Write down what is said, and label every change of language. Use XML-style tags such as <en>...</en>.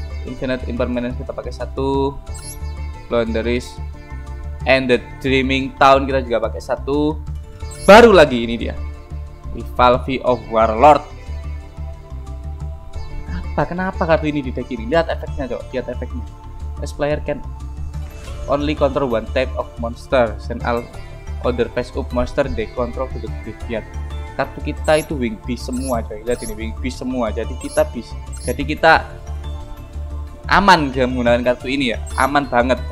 <id>Infinite Impermanence kita pakai satu. Flounderies and the Dreaming Town kita juga pakai satu. Baru lagi ini dia, Revolve of Warlord. Kenapa kartu ini di deck ini? Lihat efeknya cok, lihat efeknya.</id> <en>As player can only control one type of monster, send all other face up monster they control to the graveyard.</en> <id>Kartu kita itu wing beast semua cok, lihat ini wing beast semua. Jadi kita bisa, jadi kita aman dengan menggunakan kartu ini ya, aman banget.</id>